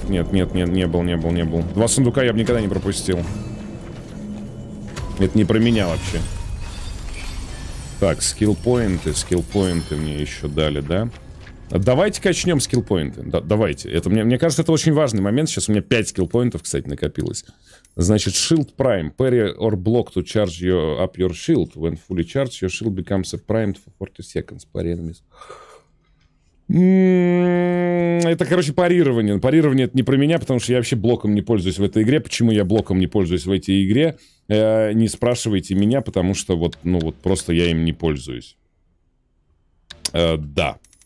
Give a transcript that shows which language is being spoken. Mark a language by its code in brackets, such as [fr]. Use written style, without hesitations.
[ru] Нет, не был. Два сундука я бы никогда не пропустил. Это не про меня вообще. Так, скиллпоинты мне еще дали, да? Давайте качнем скиллпоинты. Давайте. Это мне кажется, это очень важный момент. Сейчас у меня 5 скиллпоинтов, кстати, накопилось. Значит, [en] shield prime. Parry or block to charge your, up your shield. When fully charged, your shield becomes a primed for 40 seconds. Parry enemies. [ru] Это, короче, парирование. Парирование — это не про меня, потому что я вообще блоком не пользуюсь в этой игре. Почему я блоком не пользуюсь в этой игре? Не спрашивайте меня, потому что вот, ну вот, просто я им не пользуюсь. Да.